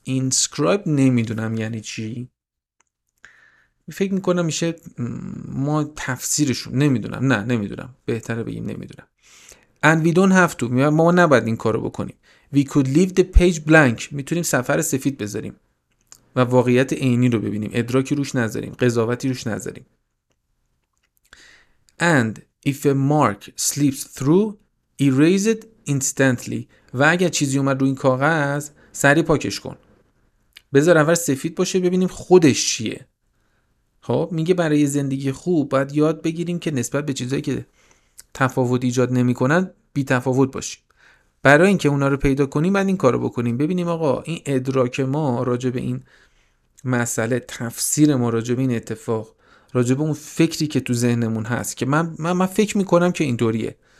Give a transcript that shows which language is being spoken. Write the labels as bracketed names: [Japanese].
[Persian] Inscribe نمیدونم یعنی چی. فکر میکنم میشه ما تفسیرشون، نمیدونم، نه نمیدونم، بهتره بگیم نمیدونم. [English] And we don't have to. [Persian] ما نباید این کارو بکنیم. [English] We could leave the page blank. [Persian] میتونیم صفحه سفید بذاریم و واقعیت عینی رو ببینیم، ادراکی روش نذاریم، قضاوتی روش نذاریم. [English] And if a mark slips through, erase it instantly. [Persian] و اگر چیزی اومد رو این کاغذ، سریع پاکش کن، بذار اول سفید باشه ببینیم خودش چیه. خب میگه برای زندگی خوب باید یاد بگیریم که نسبت به چیزایی که تفاوت ایجاد نمی‌کنن بی تفاوت باشیم. برای اینکه اونا رو پیدا کنیم بعد این کارو بکنیم، ببینیم آقا این ادراک ما راجع به این مسئله، تفسیر ما راجع به این اتفاق، راجع به اون فکری که تو ذهنمون هست که من فکر می‌کنم که اینطوریه.